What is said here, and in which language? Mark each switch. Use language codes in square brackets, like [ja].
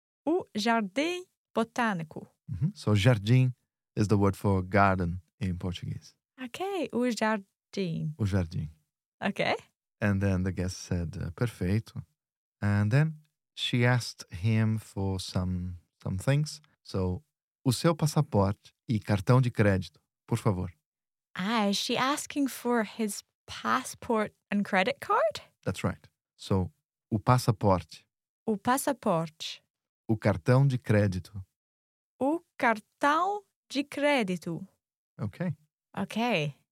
[pt] O Jardim Botânico. Mm-hmm. [en] So, Jardim is the word for garden in Portuguese. [pt] Okay, o jardim. O jardim. [en] Okay. And then the guest said, perfeito. And then she asked him for some things. [pt] So, o seu passaporte e cartão de crédito, por favor. [en] Ah, is she asking for his passport and credit card? That's right. So, [pt] o passaporte. O passaporte. O cartão de crédito. O cartão de crédito. [en] Okay. Okay.